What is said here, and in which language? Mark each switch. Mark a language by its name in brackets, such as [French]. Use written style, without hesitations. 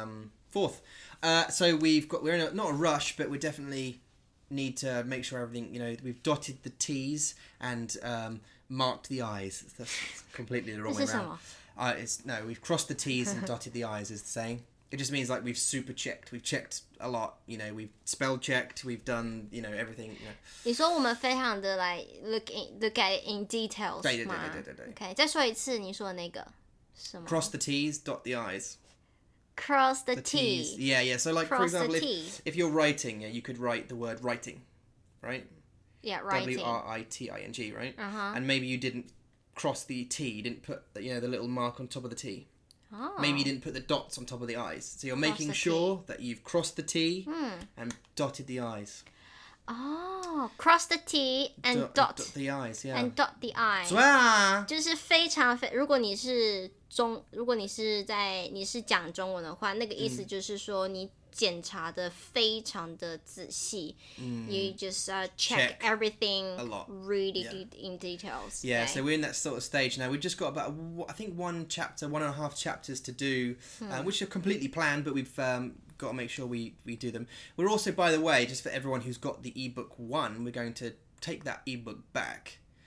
[English] on the 4th、so we've got we're in a, not a rush but we're definitelyneed to make sure everything, you know, we've dotted the T's and marked the I's. That's completely the wrong way around. No, we've crossed the T's and dotted the I's is the saying. It just means like we've super checked. We've checked a lot, you know, we've spell checked, we've done, you know, everything. You know. [Chinese] 你说我们非常的 [English] like, look at it in details [Chinese] 对对对对对对 OK, 再说一次你说的那个什么 [English] Cross the T's, dot the I's. Cross the T's. Yeah, yeah. So, like, Cross for example, if you're writing, yeah, you could write the word writing, right? Yeah, writing. W-R-I-T-I-N-G, right? Uh-huh. And maybe you didn't cross the T, you didn't put, you know, the little mark on top of the T. Oh. Maybe you didn't put the dots on top of the I's. So you're making sure that you've crossed the T and dotted the I's. Oh, cross the T and dot the I's, yeah. And dot the I's. [Chinese] 对啊。就是非常非，如果你是中，如果你是在你是讲中文的话，那个意思就是说你检查的非常的仔细。 [English] You just check everything a lot, really good in details. Yeah, so we're in that sort of stage now. We've just got about, I think, one and a half chapters to do, which are completely planned, but we've got to make sure we do them. We're also, by the way, just for everyone who's got the ebook one, we're going to take that ebook back.